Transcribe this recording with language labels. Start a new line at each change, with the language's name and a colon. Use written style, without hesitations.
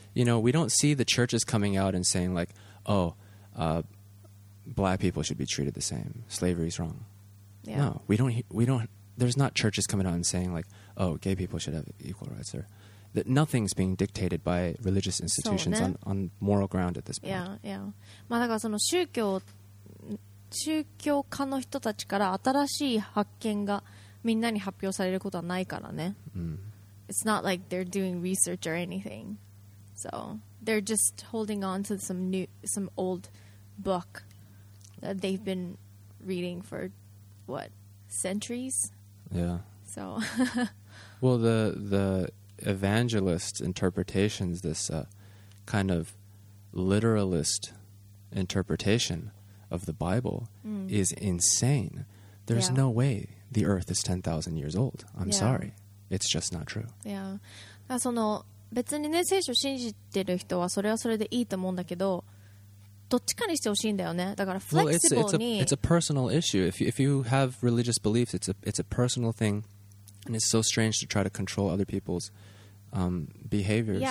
English: You know, we don't see the churches coming out and saying like,black people should be treated the same. Slavery is wrong. Yeah. No, we don't. There's not churches coming out and saying like, oh, gay people should have equal rights. Or that nothing's being dictated by religious institutions so, on moral ground at this point. Yeah, yeah.
Japanese: まあだからその宗教家の人たちから新しい発見がみんなに発表されることはないからね。
English: It's not like they're doing research or anything. So. They're just holding on to some old book that they've been reading for, what, centuries? Yeah. So. Well, the evangelist interpretations, this kind of literalist interpretation of the Bible is insane. There's no way the earth is 10,000 years old. I'm sorry. It's just not true. Yeah.
Japanese: その別にね聖書を信じてる人はそれはそれでいいと思うんだけどどっちかにしてほしいんだよねだからフレキシブルに
English: it's a personal issue if you have religious beliefs it's a personal thing and it's so strange to try to control other people's behaviors